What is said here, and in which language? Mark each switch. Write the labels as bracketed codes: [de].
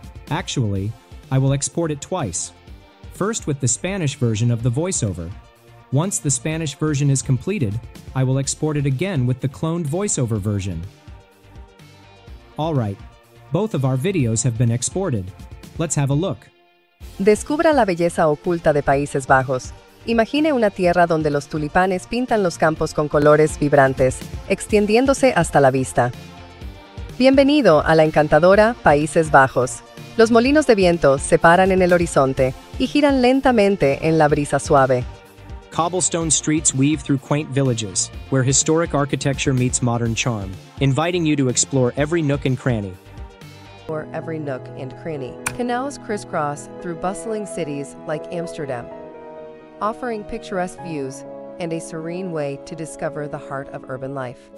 [en] Actually, I will export it twice. First with the Spanish version of the voiceover. Once the Spanish version is completed, I will export it again with the cloned voiceover version. Alright, both of our videos have been exported. Let's have a look. [es] Descubra la belleza oculta de Países Bajos. Imagine una tierra donde los tulipanes pintan los campos con colores vibrantes, extendiéndose hasta la vista. Bienvenido a la encantadora Países Bajos. Los molinos de viento se paran en el horizonte y giran lentamente en la brisa suave. [en] Cobblestone streets weave through quaint villages, where historic architecture meets modern charm, inviting you to explore every nook and cranny. Canals crisscross through bustling cities like Amsterdam, offering picturesque views and a serene way to discover the heart of urban life.